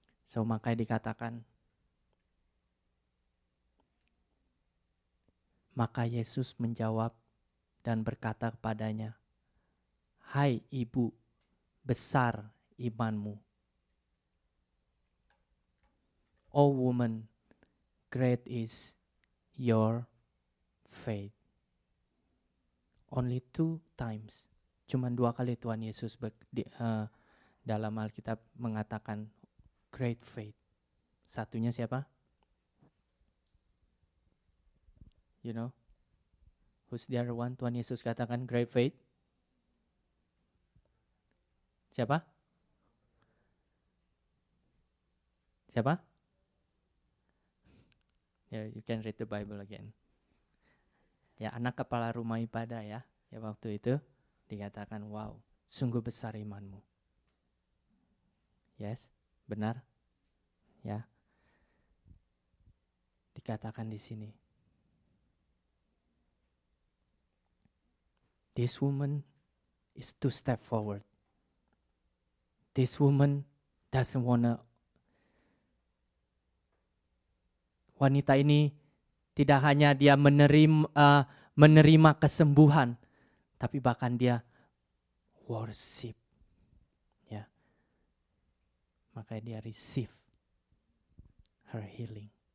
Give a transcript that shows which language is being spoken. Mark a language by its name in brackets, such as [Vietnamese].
[Indonesian] So makanya dikatakan, maka Yesus menjawab dan berkata kepadanya, hai ibu, besar imanmu. [English] O woman, great is your faith. Only two times. [Indonesian] Cuman dua kali Tuhan Yesus dalam Alkitab mengatakan great faith. Satunya siapa? [English] You know? Who's the other one [Indonesian] Tuhan Yesus katakan [English] great faith? [Indonesian] Siapa? Siapa? [English] Yeah, you can read the Bible again. [Indonesian] Ya, anak kepala rumah ibadah ya. Ya, waktu itu dikatakan, wow, sungguh besar imanmu. Yes, benar. Ya. Dikatakan di sini. [English] This woman is two step forward. This woman doesn't wanna. [Indonesian] Wanita ini tidak hanya dia menerima kesembuhan, tapi bahkan dia worship. Ya. Makanya dia [English] receive her healing.